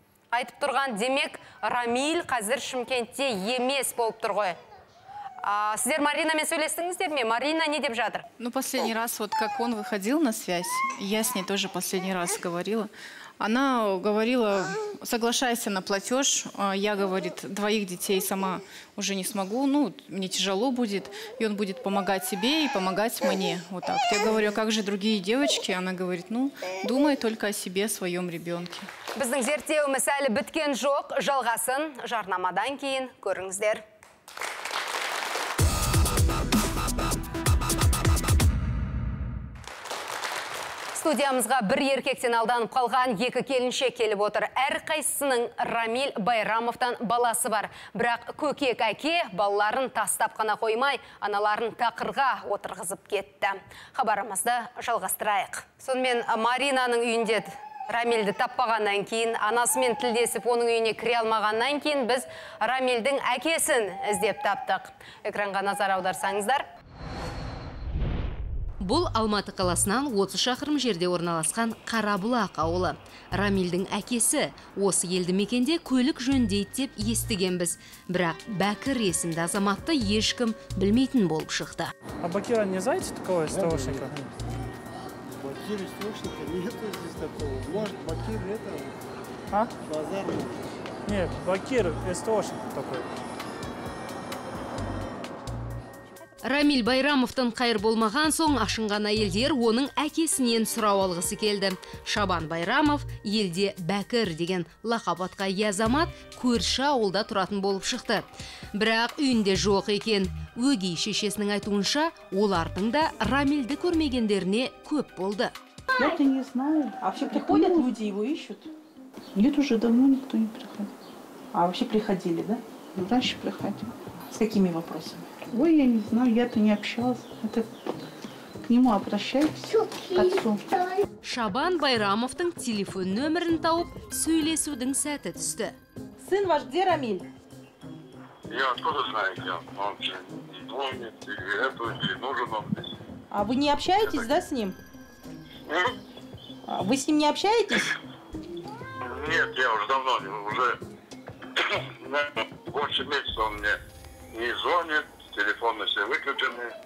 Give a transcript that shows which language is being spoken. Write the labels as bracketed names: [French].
[Kazakh] Айтып тұрған, демек, Рамиль қазір Шымкентте емес болып тұр ғой. Сіздер Маринамен сөйлестіңіздер ме? Марина не деп жатыр? [Russian] Ну, последний раз, вот как он выходил на связь, я с ней тоже последний раз говорила. Она говорила, соглашайся на платеж, я, говорит, двоих детей сама уже не смогу, ну, мне тяжело будет, и он будет помогать себе и помогать мне, вот так. Я говорю, а как же другие девочки? Она говорит, ну, думай только о себе, о своем ребенке. [Kazakh] Біздің зерттеуіміз әлі біткен жоқ, жалғасын жарнамадан кейін көріңіздер. Студиямызға бір еркектен алданып қалған екі келінше келіп отыр. Әр қайсының Рамиль Байрамовтан баласы бар. Бірақ көкек әке балаларын тастап қана қоймай, аналарын тақырға отырғызып кетті. Хабарымызды жалғастырайық. Сонымен Маринаның үйінде Рамильді таппағаннан кейін, анасымен тілдесіп оның үйіне кіре алмағаннан кейін, біз Рамильдің әкесін іздеп таптық. Экранға назар аударсаңыздар. Бұл Алматы қаласынан 30 шақырым жерде орналасқан Қарабұлақ ауылы. Рамильдің әкесі осы елді мекенде көлік жөндейді деп естіген біз. Бірақ Бәкір есімді азаматты ешкім білмейтін болып шықты. [Russian] А Бакира не знаете такого источника? Бакир источника? Нету здесь такого. Может, Бакир это? А? Базар? Нет, Бакир источник такой. [Kazakh] Рамиль Байрамовтың қайыр болмаған соң ашынған әйелдер оның әкесінен сұрау алғысы келді. Шабан Байрамов елде бәкір деген лақапатқа язамат көрші ауылда тұратын болып шықты. Бірақ үйінде жоқ екен. Өгей шешесінің айтуынша, олардың да Рамильді көрмегендеріне көп болды. [Russian] Я это не знаю. А вообще приходят люди, его ищут? Нет, уже давно никто не приходил. А вообще приходили, да? Ну, дальше приходим. С какими вопросами? Ой, я не знаю, я-то не общалась. Это... [Kazakh] Шабан Байрамовтың телефон номерін тауып, сөйлесудің сәті түсті. [Russian] Сын ваш, где Рамиль? Я откуда знаю, я вам звонит, или нужен он здесь. А вы не общаетесь, да, с ним? Вы с ним не общаетесь? Нет, я уже давно, уже больше месяца он мне не звонит, телефоны все выключены.